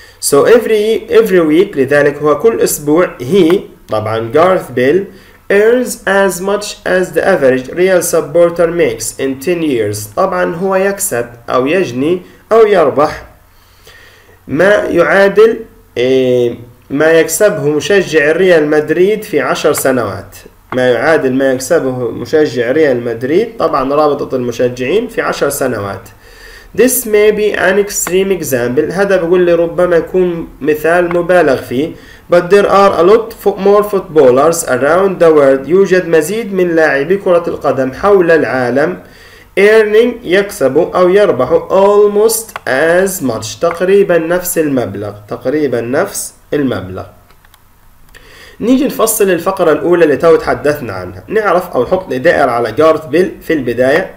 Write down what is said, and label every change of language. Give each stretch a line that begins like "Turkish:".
English: So every week،
Arabic: لذلك هو كل أسبوع،
English: he
Arabic: طبعا Garth Bill
English: earns as much as the average real supporter makes in 10 years،
Arabic: طبعا هو يكسب أو يجني أو يربح ما يعادل ما يكسبه مشجع ريال مدريد في 10 سنوات. ما يعادل ما يكسبه مشجع ريال مدريد طبعا رابطة المشجعين في 10 سنوات.
English: This may be an extreme example.
Arabic: هذا بقول لي ربما يكون مثال مبالغ فيه.
English: But there are a lot more footballers around the world.
Arabic: يوجد مزيد من لاعبي كرة القدم حول العالم
English: earning
Arabic: يكسب أو يربح almost as much. تقريبا نفس المبلغ. تقريبا نفس المبلغ. نيجي نفصل الفقرة الأولى اللي تو تحدثنا عنها. نعرف أو نحط دائرة على جارت بيل في البداية.